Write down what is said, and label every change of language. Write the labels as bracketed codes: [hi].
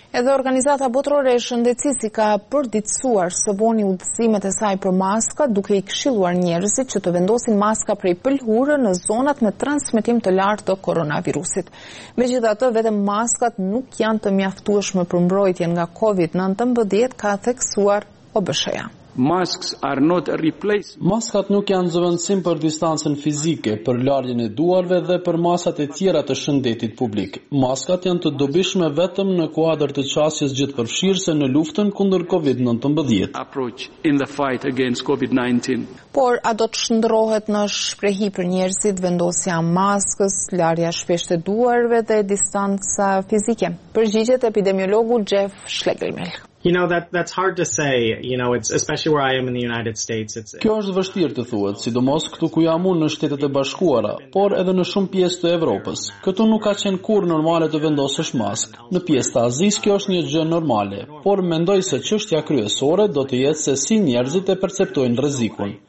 [sq] Edhe organizata botërore e shëndetësisë ka përditësuar së boni udhëzimet e saj për maska, duke i këshilluar njerëzit që të vendosin maska prej pëlhurë në zonat me transmetim të lartë të koronavirusit. Megjithatë, vetëm maskat nuk janë të mjaftueshme për mbrojtjen nga COVID-19, ka theksuar OBSH-ja. [en] Masks are not a replacement. [sq] Maskat nuk janë zëvendësim për distancën fizike, për larjen e duarve dhe për masat e tjera të shëndetit publik. Maskat janë të dobishme vetëm në kuadër të çasjes gjithëpërfshirëse në luftën kundër COVID-19. [en] Approach in the fight against COVID-19. [sq] Por a do të shndrohet në shprehi për njerëzit vendosja maskës, larja shpeshte duarve dhe distanca fizike? Përgjigjet epidemiologu Jeff Schlegelmilch. [en] You know that's hard to say, you know, it's especially where I am in the United States. [sq] Kjo është vështirë të thuhet, sidomos këtu ku jam unë në Shtetet e Bashkuara, por edhe në shumë pjesë të Evropës. Këtu nuk ka qenë kurrë normale të vendosësh maskë. Në pjesë të Azisë kjo është një gjë normale, por mendoj se çështja kryesore do të jetë se si njerëzit e perceptojnë rrezikun.